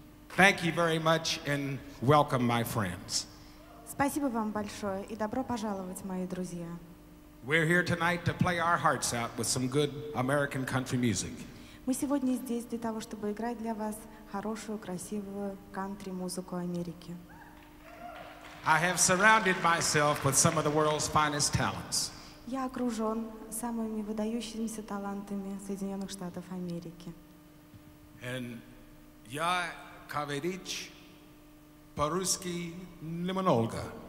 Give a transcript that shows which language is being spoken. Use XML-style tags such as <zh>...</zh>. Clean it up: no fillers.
<en>Thank you very much and welcome, my friends.</en> <ru>Спасибо вам большое и добро пожаловать, мои друзья.</ru> <en>We're here tonight to play our hearts out with some good American country music.</en> <ru>Мы сегодня здесь для того, чтобы играть для вас хорошую, красивую кантри-музыку Америки.</ru> <en>I have surrounded myself with some of the world's finest talents.</en> <ru>Я окружен самыми выдающимися талантами Соединенных Штатов Америки. And я говорить по-русски немного.</ru>